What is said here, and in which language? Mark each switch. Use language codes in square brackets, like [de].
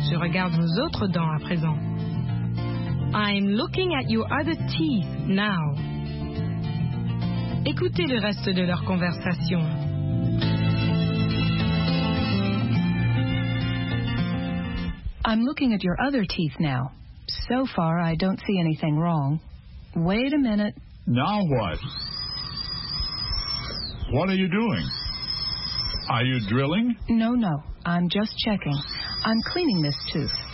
[fr] Je regarde vos autres dents à présent. [en] I'm looking at your other teeth now. [fr] Écoutez le reste de leur conversation. [en] I'm looking at your other teeth now. So far, I don't see anything wrong. Wait a minute. Now what? What are you doing? Are you drilling? No, no. I'm just checking. I'm cleaning this tooth.